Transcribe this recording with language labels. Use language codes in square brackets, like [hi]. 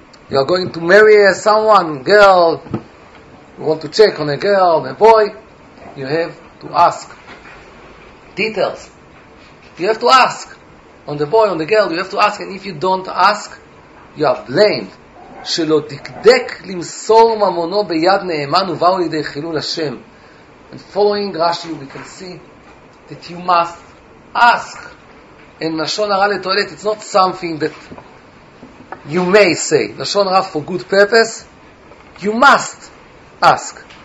[en] You are going to marry someone, girl. You want to check on a girl, on a boy, you have to ask details. You have to ask on the boy, on the girl, you have to ask, and if you don't ask, you are blamed. [he] שלא דקדק למסור ממונו ביד נאמן ובאו לידי חילול השם. [en] And following Rashi, we can see that you must ask. And לשון הרע לתועלת, it's not something that you may say. לשון הרע for good purpose, you must ask.